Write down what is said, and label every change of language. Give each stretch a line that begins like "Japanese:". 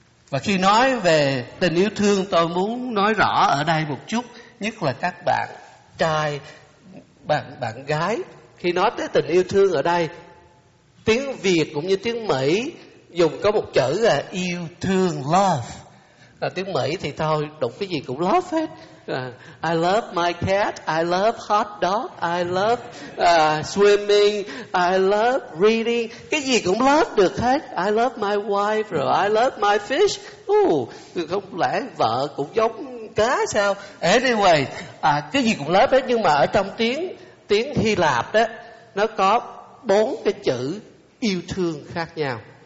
Vietnamese: Và khi nói về tình yêu thương, tôi muốn nói rõ ở đây một chút, nhất là các bạn trai, bạn gái. Khi nói tới tình yêu thương ở đây, tiếng Việt cũng như tiếng Mỹ dùng có một chữ là yêu thương, love. Là tiếng Mỹ thì thôi, đụng cái gì cũng love hết.
English: I love my cat, I love hot dog, I love swimming, I love reading.
Vietnamese: Cái gì cũng love được hết.
English: I love my wife, rồi I love my fish.
Vietnamese: Không lẽ vợ cũng giống cá sao? Anyway, cái gì cũng love hết. Nhưng mà ở trong tiếng Hy Lạp đó, nó có bốn cái chữ yêu thương khác nhau.